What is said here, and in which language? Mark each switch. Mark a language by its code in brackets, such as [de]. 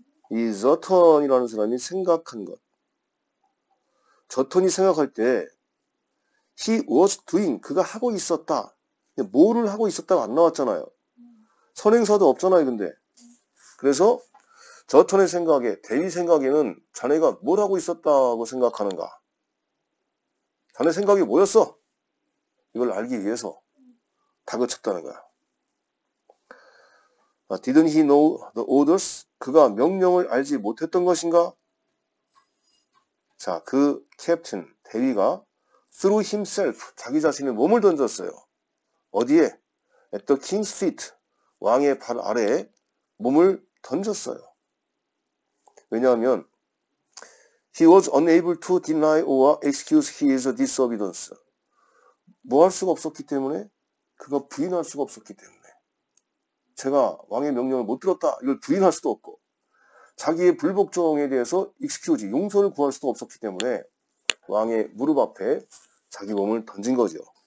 [ko] 이 저턴이라는 사람이 생각한 것. 저턴이 생각할 때, [en] he was doing, [ko] 그가 하고 있었다. 뭐를 하고 있었다가 안 나왔잖아요. 선행사도 없잖아요, 근데. 그래서 저천의 생각에, 대위 생각에는 자네가 뭘 하고 있었다고 생각하는가? 자네 생각이 뭐였어? 이걸 알기 위해서 다그쳤다는 거야. [en] Didn't he know the orders? [ko] 그가 명령을 알지 못했던 것인가? 자, 그 캡틴, 대위가 [en] through himself, [ko] 자기 자신의 몸을 던졌어요. 어디에? [en] At the king's feet, [ko] 왕의 발 아래에 몸을 던졌어요. 왜냐하면 [en] he was unable to deny or excuse his disobedience. [ko] 뭐 할 수가 없었기 때문에? 그가 부인할 수가 없었기 때문에. 제가 왕의 명령을 못 들었다. 이걸 부인할 수도 없고 자기의 불복종에 대해서 excuse, 용서를 구할 수도 없었기 때문에 왕의 무릎 앞에 자기 몸을 던진 거죠.